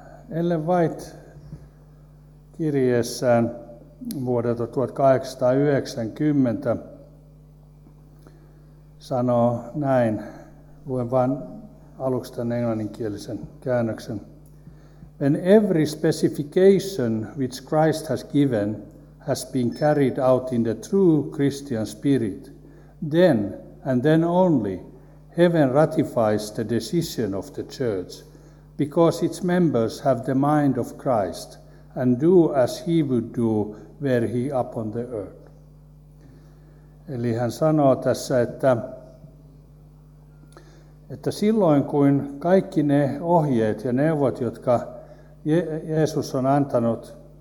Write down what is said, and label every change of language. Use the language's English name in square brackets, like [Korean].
[Finnish] Ellen White kirjeessään vuodelta 1890 sanoo näin, luen vain aluksi tämän englanninkielisen käännöksen. [English] When every specification which Christ has given has been carried out in the true Christian spirit, then and then only heaven ratifies the decision of the church, because its members have the mind of Christ and do as he would do were he upon the earth. [Finnish] Eli hän sanoo tässä, että silloin kun kaikki ne ohjeet ja neuvot, jotka Jeesus on antanut,